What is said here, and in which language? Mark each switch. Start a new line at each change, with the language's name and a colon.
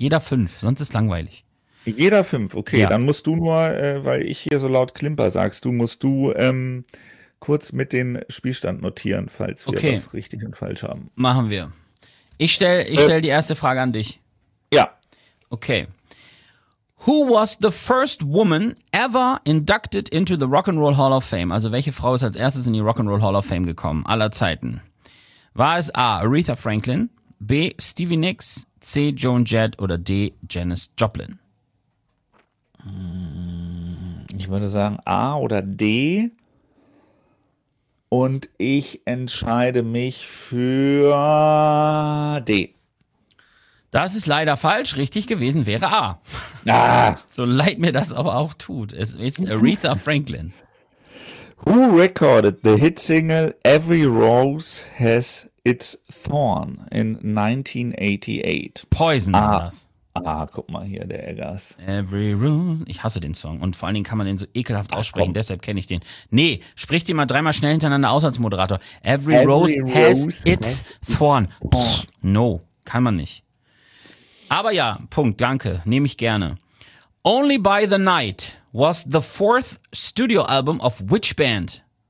German: Jeder 5, sonst ist langweilig. Jeder 5, okay, ja. Dann musst du nur, weil ich hier so laut Klimper sagst, musst du kurz mit den Spielstand notieren, falls wir okay. Das richtig und falsch haben. Machen wir. Ich stell die erste Frage an dich. Ja. Okay.
English: Who was the first woman ever inducted into the Rock'n'Roll Hall of Fame?
German: Also welche Frau ist als erstes in die Rock'n'Roll Hall of Fame gekommen, aller Zeiten? War es A, Aretha Franklin, B, Stevie Nicks, C, Joan Jett oder D, Janis Joplin? Ich würde sagen A oder D und ich entscheide mich für D. Das ist leider falsch, richtig gewesen wäre A. Ah. So leid mir das aber auch tut, es ist Aretha Franklin.
English: Who recorded the hit single Every Rose Has Its Thorn in 1988?
German: Poison war das. Ah, guck mal hier, der Eggers. Every Rule. Ich hasse den Song. Und vor allen Dingen kann man den so ekelhaft aussprechen, deshalb kenne ich den. Nee, sprich den mal dreimal schnell hintereinander aus als Moderator.
English: Every Rose has its thorn. No,
German: kann man nicht. Aber ja, Punkt, danke. Nehme ich gerne.
English: Only by the Night was the fourth studio album of which band?